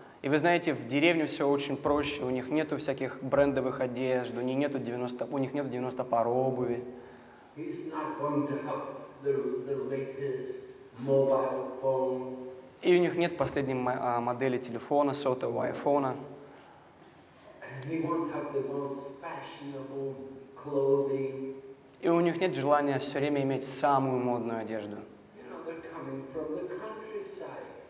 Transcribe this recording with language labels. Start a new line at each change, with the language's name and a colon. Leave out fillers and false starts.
Russian: И вы знаете, в деревне все очень проще, у них нету всяких брендовых одежд, у них нету 90 пар обуви.
English: He's not going to have the latest mobile phone.
Russian: И у них нет последней модели телефона, сотового айфона.
English: He won't have the most fashionable clothing.
Russian: И у них нет желания все время иметь самую модную одежду.
English: You know, they're coming from the countryside.